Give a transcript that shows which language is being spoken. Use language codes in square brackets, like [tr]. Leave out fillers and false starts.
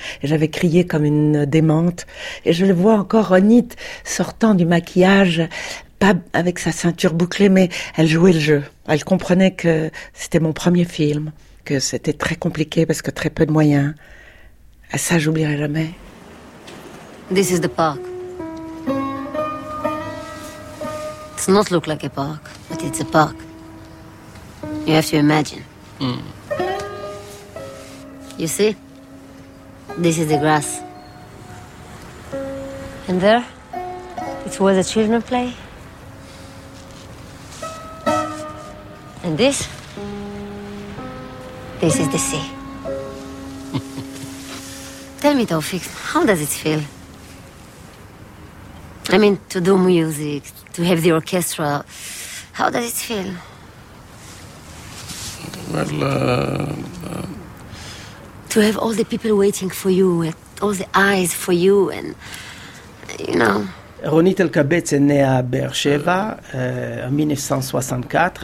[fr] Et j'avais crié comme une démente. Et je le vois encore, Ronit, sortant du maquillage, pas avec sa ceinture bouclée, mais elle jouait le jeu. Elle comprenait que c'était mon premier film, que c'était très compliqué parce que très peu de moyens. Et ça, j'oublierai jamais. [en] This is the park. It does not look like a park, but it's a park. You have to imagine. You see? This is the grass. And there, it's where the children play. And this? This is the sea. Tell me, Taufik, how does it feel? I mean, to do music, to have the orchestra, how does it feel? Well, to have all the people waiting for you, all the eyes for you, and, you know... [fr] Ronit Elkabetz est né à Be'er Sheva en 1964.